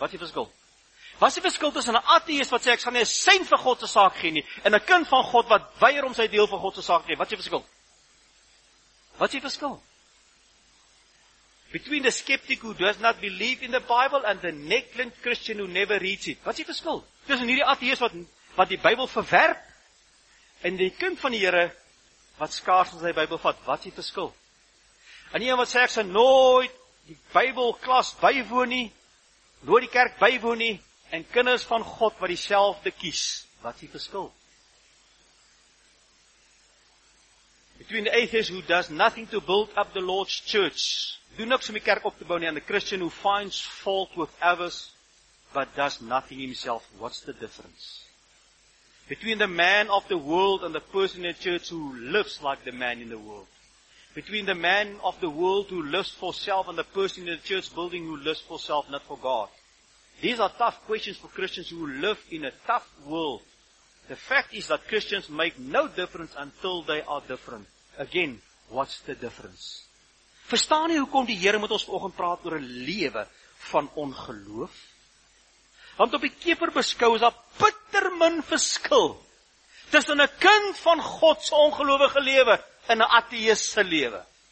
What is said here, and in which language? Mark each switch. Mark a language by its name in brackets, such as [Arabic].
[Afrikaans] Wat is die verskil? Wat is die verskil tussen een atheist wat sê, ek gaan nie 'n sent vir God se saak gee nie, en een kind van God wat weier om sy deel van God se saak gee? Wat is die verskil? Wat is die verskil? [English] Between the skeptic who does not believe in the Bible and the negligent Christian who never reads it. [Afrikaans] Wat is die verskil? Tussen hierdie atheïs wat die Bybel verwerp en die kind van die Here wat skaars van sy Bybel vat, wat is die verskil? En die een wat sê ek sal nooit die Bybelklas bywoon nie, nooit die kerk bywoon nie en kinders van God wat dieselfde kies, wat is die verskil? [English] Between the atheist who does nothing to build up the Lord's church, [Afrikaans] doe niks om die kerk op te bou nie, [English] and the Christian who finds fault with others, but does nothing himself, what's the difference? Between the man of the world and the person in the church who lives like the man in the world. Between the man of the world who lives for self and the person in the church building who lives for self, not for God. These are tough questions for Christians who live in a tough world. The fact is that Christians make no difference until they are different. Again, what's the difference? [Afrikaans] Verstaan jy hoekom die Here met ons vanoggend praat oor 'n lewe van ongeloof? Want op die keper beskou is daar bitter min verskil tussen 'n kind van God se ongelowige lewe en 'n ateïs se lewe.